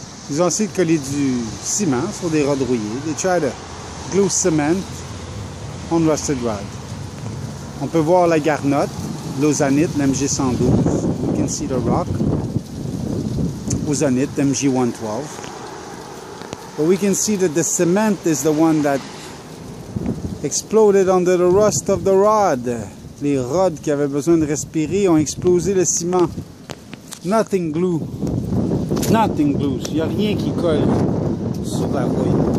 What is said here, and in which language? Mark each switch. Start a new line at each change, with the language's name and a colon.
French: Ils ont essayé de coller du ciment sur des rods rouillés.
English: They try to glue cement on rusted rod.
French: On peut voir la garnotte, l'ozanite, l'MG-112.
English: You can see the rock. Ozanite, MG-112. But we can see that the cement is the one that exploded under the rust of the rod.
French: Les rods qui avaient besoin de respirer ont explosé le ciment.
English: Nothing glue. Nothing glues.
French: Il n'y a rien qui colle sur la rouille.